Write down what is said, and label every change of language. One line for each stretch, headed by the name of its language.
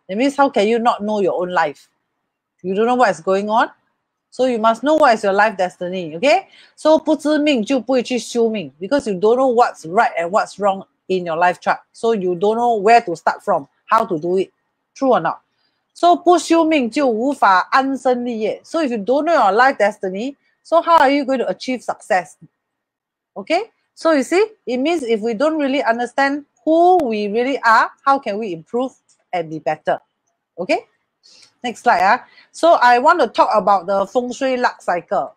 English: That means how can you not know your own life? You don't know what is going on. So you must know what is your life destiny, okay? So
Chinese: 不知命就不会去修命,
English: because you don't know what's right and what's wrong in your life chart. So you don't know where to start from, how to do it. True or not?
Chinese: So 不修命就无法安身立业.
English: So if you don't know your life destiny, so how are you going to achieve success? Okay? So you see, it means if we don't really understand who we really are, how can we improve and be better? Okay? Next slide. So I want to talk about the feng shui luck cycle.